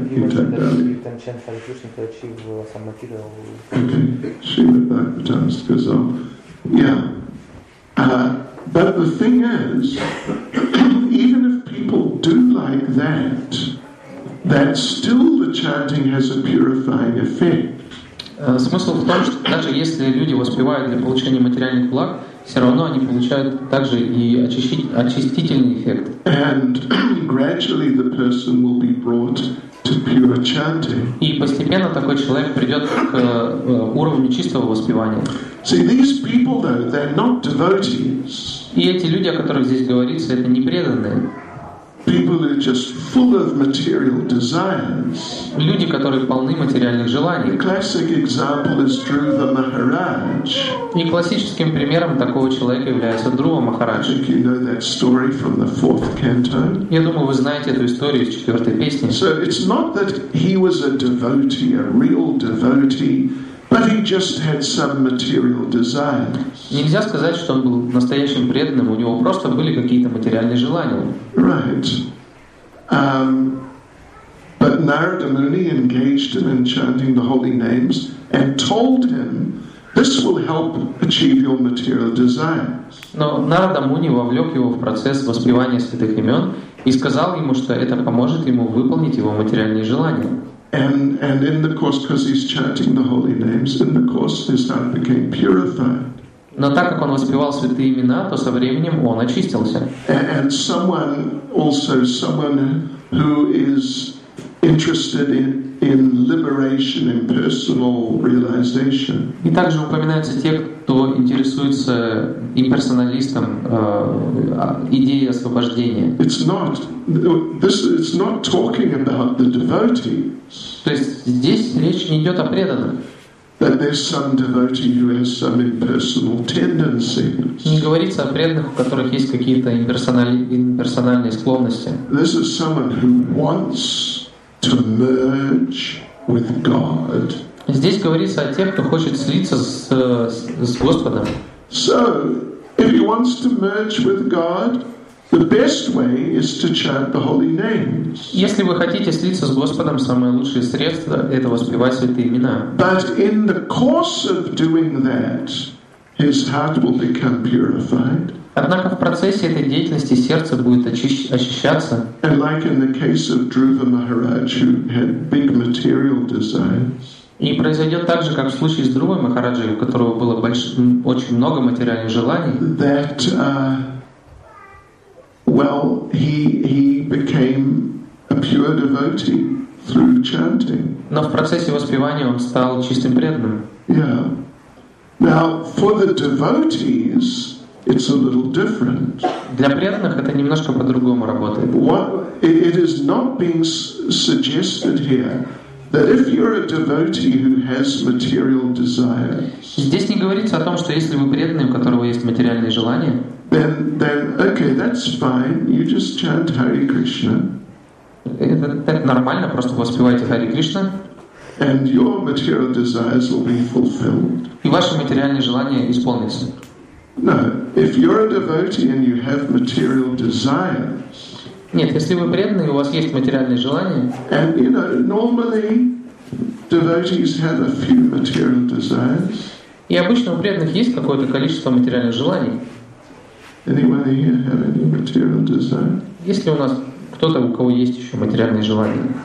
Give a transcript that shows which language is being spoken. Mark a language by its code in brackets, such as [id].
[en] you mentioned that you can chant Hare Krishna to achieve some material... Okay, Srila Bhaktivedanta goes on. Yeah. But the thing is, even if people do like that, that still the chanting has a purifying effect. [ru] Смысл в том, что даже если люди воспевают для получения материальных благ, все равно они получают также и очистительный эффект. [en] And gradually the person will be brought to pure chanting. [ru] И постепенно такой человек придет к уровню чистого воспевания. [en] See, these people, though, they're not devotees. [ru] И эти люди, о которых здесь говорится, это не преданные. [en] People are just full of material desires. [ru] Люди, которые полны материальных желаний. [en] The classic example is Dhruva Maharaj. [ru] И классическим примером такого человека является Друва Махарадж. [en] I think you know that story from the fourth canto. [ru] Я думаю, вы знаете эту историю из четвертой песни. [en] So it's not that he was a devotee, a real devotee, but he just had some material desires. [ru] Нельзя сказать, что он был настоящим преданным, у него просто были какие-то материальные желания. [en] Right. But Narada Muni engaged him in chanting the holy names and told him, this will help achieve your material desires. [ru] Но Нарада Муни вовлек его в процесс воспевания святых имен и сказал ему, что это поможет ему выполнить его материальные желания. [en] And in the course, because he's chanting the holy names, in the course his heart became purified. [ru] Но так как он воспевал святые имена, то со временем он очистился. [en] And someone also, someone who is interested in liberation and personal realization. [ru] И также упоминаются те, кто интересуется имперсоналистом, идеей освобождения. [en] It's not talking about the devotees. [ru] То есть здесь речь не идет о преданных. [en] That there's some devotee who has some impersonal tendencies. [ru] Не говорится о преданных, у которых есть какие-то имперсональные склонности. [en] This is someone who wants to merge with God. [ru] Здесь говорится о тех, кто хочет слиться с Господом. [en] So, if he wants to merge with God, the best way is to chant the holy names. [ru] Если вы хотите слиться с Господом, самое лучшее средство — это воспевать святые имена. [en] But in the course of doing that, his heart will become purified. [ru] Однако в процессе этой деятельности сердце будет очищаться. [en] And like in the case of Dhruva Maharaj, who had big material desires. [ru] И произойдет так же, как в случае с Друвой Махараджей, у которого было очень много материальных желаний. [en] That well, he became a pure devotee through chanting. [ru] Но в процессе воспевания он стал чистым преданным. [en] Yeah. Now, for the devotees, it's a little different. [ru] Для преданных это немножко по-другому работает. [en] It is not being suggested here that if you're a devotee who has material desires. [ru] Здесь не говорится о том, что если вы преданный, у которого есть материальные желания. [en] Then okay, that's fine. You just chant Hare Krishna. [ru] Это нормально, просто воспевайте Hare Krishna. [en] And your material desires will be fulfilled. [ru] И ваши материальные желания исполнятся. [en] No, if you're a devotee and you have material desires. [ru] Нет, если вы преданный, у вас есть материальные желания. [en] And you know, normally devotees have a few material desires. [ru] И обычно у преданных есть какое-то количество материальных желаний. [en] Anyone here have any material desire? [ru] Если у нас кто-то, у кого есть еще материальные желания.